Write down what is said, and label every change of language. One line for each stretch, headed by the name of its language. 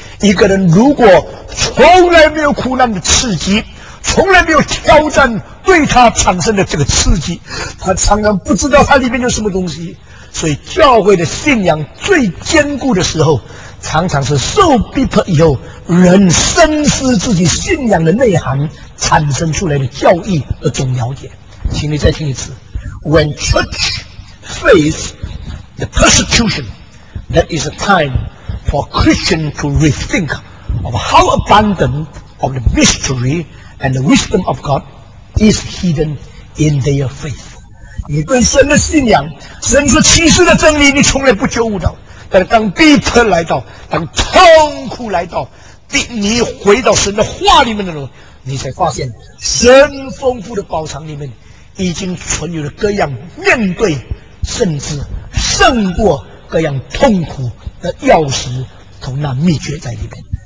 Chinese: 一个人如果从来没有苦难的刺激，从来没有挑战对他产生的这个刺激，他常常不知道他里面有什么东西。所以教会的信仰最坚固的时候，常常是受逼迫以后，人深思自己信仰的内涵产生出来的教义的总了解。请你再听一次
English: When church face the persecution, that is a time for Christian to rethink of how abundant of the mystery and the wisdom of God is hidden in their faith.
Chinese: 你对神的信仰，神所启示的真理，你从来不觉悟到。但是当逼迫来到，当痛苦来到，你回到神的话里面的时候，你才发现神丰富的宝藏里面已经存有了各样面对甚至胜过各样痛苦的钥匙，从那秘诀在里面。